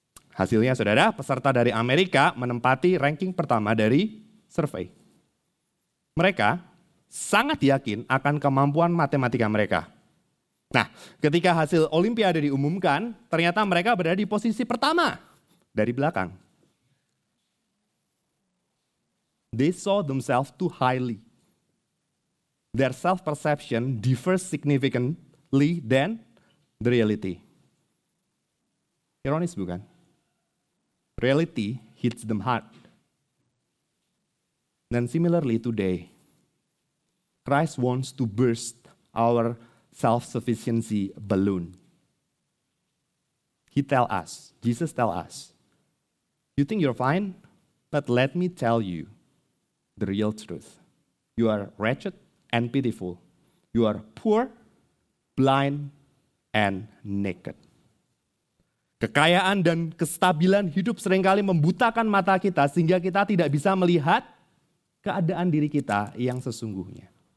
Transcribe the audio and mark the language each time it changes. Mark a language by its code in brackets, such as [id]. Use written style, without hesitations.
[id] Hasilnya saudara, peserta dari Amerika menempati ranking pertama dari survei. Mereka sangat yakin akan kemampuan matematika mereka. Nah, ketika hasil Olimpiade diumumkan, ternyata mereka berada di posisi pertama dari belakang. [en] They saw themselves too highly. Their self-perception differs significantly than the reality. [id] Ironis bukan? [en] Reality hits them hard. Then similarly today, Christ wants to burst our self-sufficiency balloon. Jesus tell us, you think you're fine, but let me tell you the real truth. You are wretched and pitiful. You are poor, blind, and naked. [id] Kekayaan dan kestabilan hidup seringkali membutakan mata kita sehingga kita tidak bisa melihat keadaan diri kita yang sesungguhnya.